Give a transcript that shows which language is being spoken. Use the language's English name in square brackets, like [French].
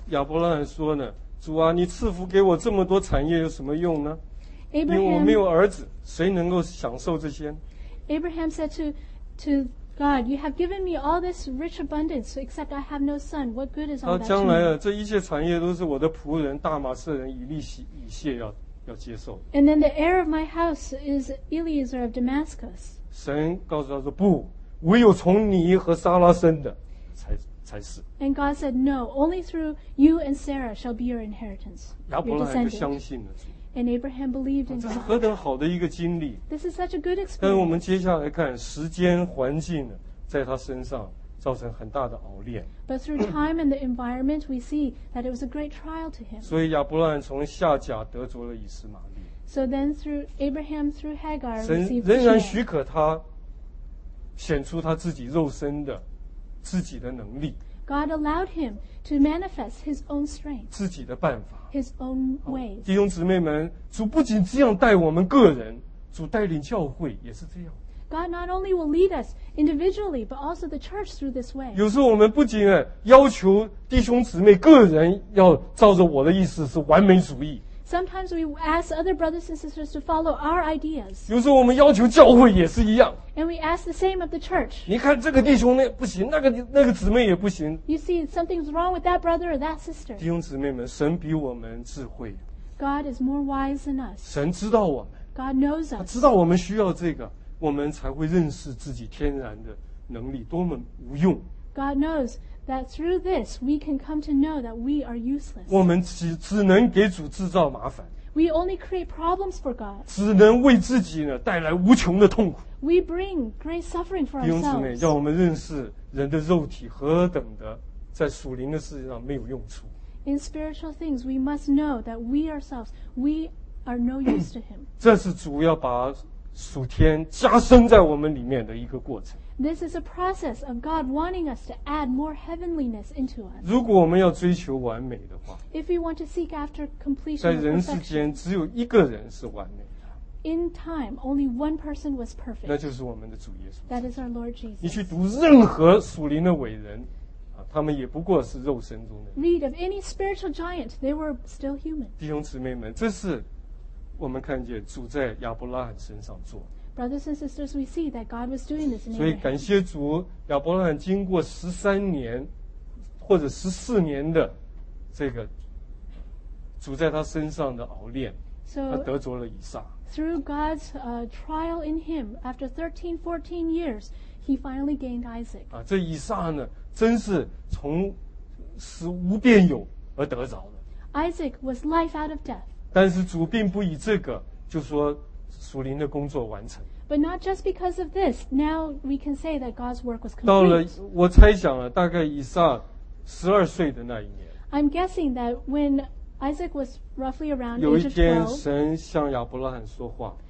[Chinese] 亚伯拉罕说呢，主啊，你赐福给我这么多产业有什么用呢？ [English] Abraham, [Chinese] 因为我没有儿子，谁能够享受这些？ [English] Abraham said to God, you have given me all this rich abundance, so except I have no son, what good is all that? [Chinese] 将来这一切产业都是我的仆人大马色人以利以谢要接受。 [English] And then the heir of my house is Eliezer of Damascus. [Chinese] 神告诉他说，不，唯有从你和撒拉生的才是。 [English] And God said, no, only through you and Sarah shall be your inheritance. [Chinese] 亚伯拉罕就相信了。 [English] And Abraham believed in God. [Chinese] 这是何等好的一个经历。 [English] This is such a good experience. [Chinese] 但是我们接下来看，时间环境呢，在他身上造成很大的熬炼。 [English] But through time and the environment, we see that it was a great trial to him. [Chinese] 所以亚伯拉罕从夏甲得着了以实玛利。 [English] So then through Abraham, through Hagar, received Ishmael. [Chinese] 神仍然许可他显出他自己肉身的自己的能力。 [English] God allowed him to manifest his own strength. [Chinese] 自己的办法。 [English] His own ways. [Chinese] 弟兄姊妹们，主不仅这样带我们个人，主带领教会也是这样。 [English] God not only will lead us individually, but also the church through this way. [Chinese] 有时候我们不仅要求弟兄姊妹个人要照着我的意思是完美主义。 [English] Sometimes we ask other brothers and sisters to follow our ideas. [Chinese] 有时候我们要求教会也是一样。 [English] And we ask the same of the church. [Chinese] 你看这个弟兄那不行，那个姊妹也不行。 [English] You see something's wrong with that brother or that sister. [Chinese] 弟兄姊妹们，神比我们智慧。 [English] God is more wise than us. [Chinese] 神知道我们。 [English] God knows us. [Chinese] 他知道我们需要这个，我们才会认识自己天然的能力多么无用。 [English] God knows that through this we can come to know that we are useless. [Chinese] 我们只能给主制造麻烦。 [English] We only create problems for God. [Chinese] 只能为自己呢带来无穷的痛苦。 [English] We bring great suffering for ourselves. [Chinese] 弟兄姊妹，让我们认识人的肉体何等的在属灵的世界上没有用处。 [English] In spiritual things, we must know that we ourselves, we are no use to Him. [Chinese] 这是主要把属天加深在我们里面的一个过程。 [English] This is a process of God wanting us to add more heavenliness into us. [Chinese] 如果我们要追求完美的话， [English] If we want to seek after completion, [Chinese] 在人世间只有一个人是完美的。 [English] In time, only one person was perfect. [Chinese] 那就是我们的主耶稣。 [English] That is our Lord Jesus. [Chinese] 你去读任何属灵的伟人，他们也不过是肉身中的。 [English] Read of any spiritual giant, they were still human. [Chinese] 弟兄姊妹们，这是我们看见主在亚伯拉罕身上做。 [English] Brothers and sisters, we see that God was doing this in Abraham. [Chinese] 所以感谢主，亚伯拉罕经过十三年或者十四年的这个主在他身上的熬炼，他得着了以撒。 [English] Through God's trial in him, after 13, 14 years, he finally gained Isaac. [Chinese] 这以撒呢，真是从死无变有而得着的。 [English] Isaac was life out of death. [Chinese] 但是主并不以这个就说属灵的工作完成。 [English] But not just because of this, now we can say that God's work was complete. [Chinese] 到了，我猜想了，大概以撒十二岁的那一年。 [English] I'm guessing that when Isaac was roughly around [Chinese] 12. 有一天，神向亚伯拉罕说话。